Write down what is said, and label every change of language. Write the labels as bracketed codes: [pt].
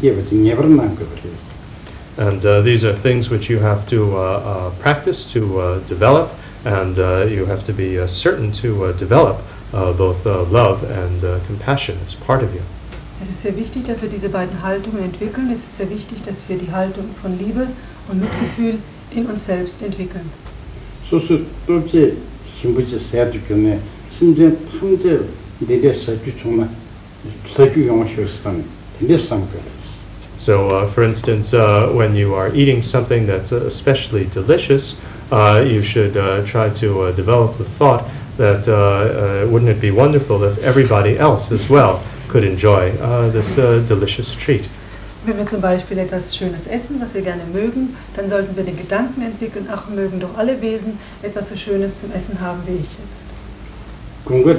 [en] And these are things which you have to practice to develop, and you have to be certain to develop both love and compassion as part of you. [de] Es ist sehr wichtig, dass wir diese beiden Haltungen entwickeln. Es ist sehr wichtig, dass wir die Haltung von Liebe und Mitgefühl in uns selbst entwickeln. [en] So, for instance, when you are eating something that's especially delicious, you should try to develop the thought that wouldn't it be wonderful if everybody else as well could enjoy this delicious treat. [de] Wenn wir zum Beispiel etwas Schönes essen, was wir gerne mögen, dann sollten wir den Gedanken entwickeln, ach, mögen doch alle Wesen etwas so Schönes zum Essen haben wie ich jetzt.